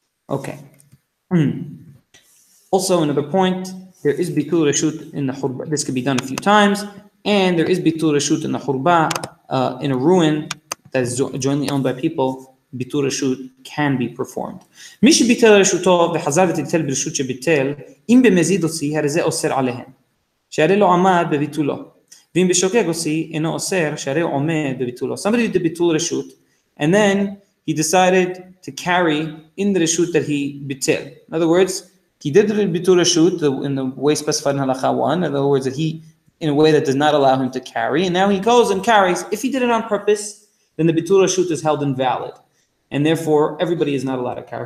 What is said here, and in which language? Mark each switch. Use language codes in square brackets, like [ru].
[en] Okay. Also, another point, there is bitul reshut in the churba. This could be done a few times, and there is bitul reshut in the churba, in a ruin, that is jointly owned by people, bitul reshut can be performed. [he] מי שביטל רשותו וחזר וטלטל ברשות שביטל, אם במזיד הוציא, הרי זה אוסר עליהם, שהרי לא עמד בביטולו. ואם בשוקק הוציא, אינו אוסר, שהרי עומד בביטולו. [en] Somebody did the bitul reshut, and then he decided to carry in the reshut that he bitel. In other words, he did the bitul reshut in the way specified in Halakha 1, in other words, that he, in a way that does not allow him to carry, and now he goes and carries. If he did it on purpose, then the bitul reshut is held invalid. And therefore, everybody is not allowed to carry.